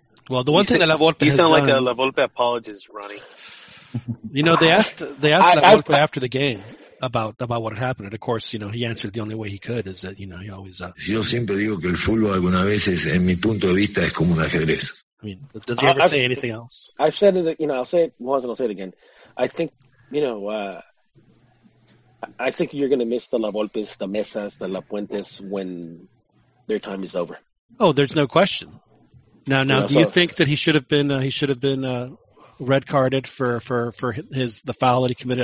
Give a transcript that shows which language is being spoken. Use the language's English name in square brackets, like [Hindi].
[English] Well, the one thing that La Volpe has done... You sound like a La Volpe apologist, Ronnie. You know, they asked La Volpe after the game about what had happened, and of course, you know, he answered the only way he could, is that, you know, he always... [Spanish] Yo siempre digo que el fútbol algunas veces, en mi punto de vista, es como un ajedrez. [English] I mean, does he ever say anything else? I've said it, you know, I'll say it once, and I'll say it again. I think, you know... I think you're going to miss the La Volpes, the Mesas, the La Puentes when their time is over. Oh, there's no question. Do you think that he should have been red carded for the foul that he committed?